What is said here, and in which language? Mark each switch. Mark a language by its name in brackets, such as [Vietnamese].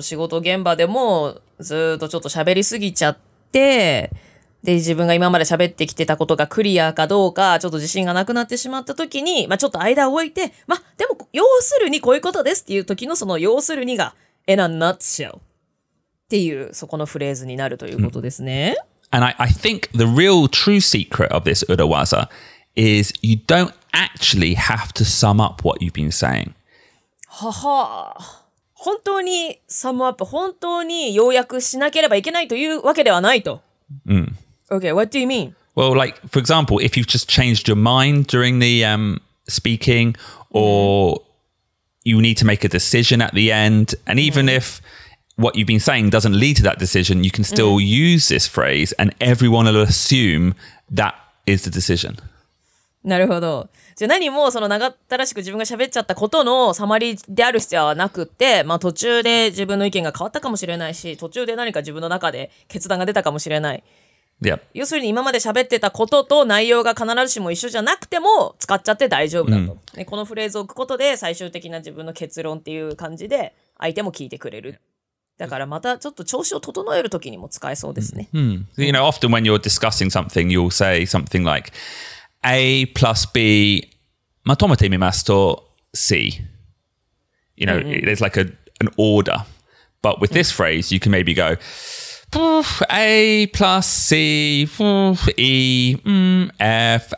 [Japanese] 仕事現場でもずっとちょっと喋りすぎちゃって、で、自分が今まで喋ってきてたことがクリアかどうか、ちょっと自信がなくなってしまった時に、まあ、ちょっと間を置いて、まあ、でも、要するにこういうことですっていう時のその要するにが、in a nutshell っていう、そこのフレーズになるということですね。 [English] And I think the real true secret of this urawaza is you don't actually have to sum up what you've been saying. [Japanese] はは。本当にサムアップ、本当に要約しなければいけないというわけではないと。 [English] Okay, what do you mean? Well, like, for example, if you've just changed your mind during the speaking or you need to make a decision at the end, and even if what you've been saying doesn't lead to that decision, you can still use this phrase and everyone will assume that is the decision. [Japanese] なるほど。じゃあ何もその長ったらしく自分が喋っちゃったことのサマリーである必要はなくって、まあ途中で自分の意見が変わったかもしれないし、途中で何か自分の中で決断が出たかもしれない。 [English] Yep. [Japanese] 要するに今まで喋ってたことと内容が必ずしも一緒じゃなくても使っちゃって大丈夫だと、mm. ね、このフレーズを置くことで最終的な自分の結論っていう感じで相手も聞いてくれる、yeah. だからまたちょっと調子を整えるときにも使えそうですね、 mm. [English] You know, often when you're discussing something you'll say something like A plus B [Japanese] まとめてみますと [English] C You know,、mm-hmm. there's like an order But with this、mm. phrase you can maybe goA plus C, E, F.